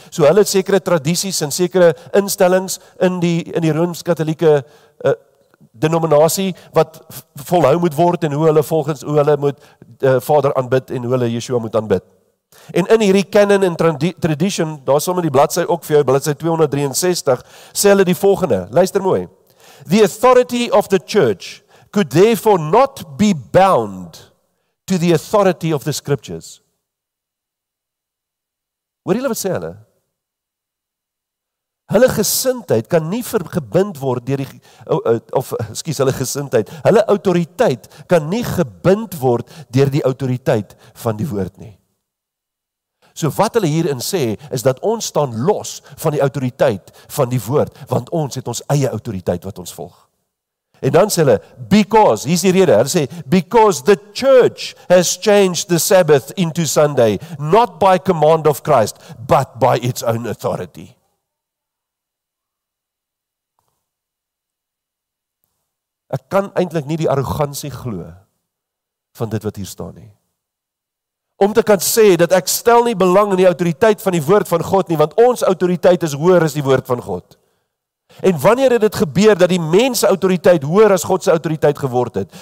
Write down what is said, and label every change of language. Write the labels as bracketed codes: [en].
[af] So hulle het sekere tradisies en sekere instellings in die Rooms-Katolieke denominasie wat volhou moet word en hoe hulle volgens hoe hulle moet Vader aanbid en hoe hulle Yeshua moet aanbid. En in hierdie canon en tradition, daar is sommer die bladsy ook vir jou, bladsy 263, sê hulle die volgende, luister mooi. [en] The authority of the church could therefore not be bound to the authority of the scriptures. [af] Hoor julle wat sê hulle? Hulle gesindheid kan nie verbind word deur die hulle autoriteit kan nie gebind word deur die autoriteit van die woord nie. So wat hulle hierin sê is dat ons staan los van die autoriteit van die woord want ons het ons eie autoriteit wat ons volg. En dan sê hulle [en] because [af] hier's die rede hulle sê [en] because the church has changed the Sabbath into Sunday not by command of Christ but by its own authority. [af] Ek kan eintlik nie die arrogansie glo van dit wat hier staan nie. Om te kan sê dat ek stel nie belang in die autoriteit van die woord van God nie, want ons autoriteit is hoër as die woord van God. En wanneer het dit gebeur dat die mense autoriteit hoër as God se autoriteit geword het?